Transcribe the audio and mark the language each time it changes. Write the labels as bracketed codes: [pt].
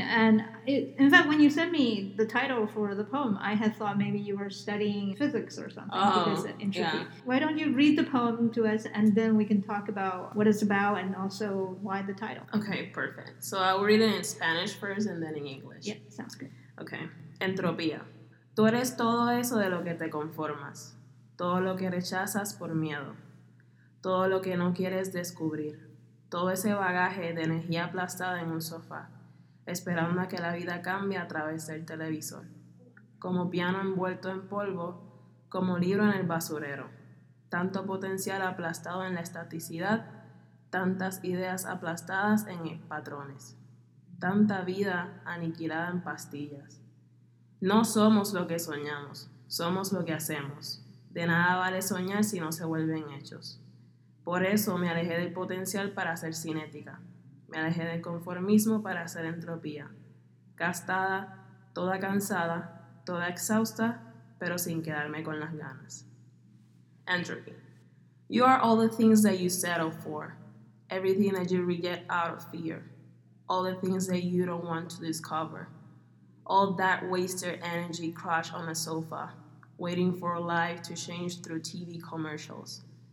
[en] And in fact, when you sent me the title for the poem, I had thought maybe you were studying physics or something. Oh, because it's intriguing. Yeah. Why don't you read the poem to us, and then we can talk about what it's about and also why the title. Okay, perfect. So I'll read it in Spanish first and then in English. Yeah, sounds good. [es] Okay. Entropía. Tú eres todo eso de lo que te conformas. Todo lo que rechazas por miedo. Todo lo que no quieres descubrir. Todo ese bagaje de energía aplastada en un sofá, esperando a que la vida cambie a través del televisor. Como piano envuelto en polvo, como libro en el basurero. Tanto potencial aplastado en la estaticidad, tantas ideas aplastadas en patrones. Tanta vida aniquilada en pastillas. No somos lo que soñamos, somos lo que hacemos. De nada vale soñar si no se vuelven hechos. Por eso me alejé del potencial para hacer cinética. Me alejé del conformismo para hacer entropía. Gastada, toda cansada, toda exhausta, pero sin quedarme con las ganas. [en] Entropy. You are all the things that you settle for. Everything that you reject out of fear. All the things that you don't want to discover. All that wasted energy crushed on a sofa, waiting for life to change through TV commercials.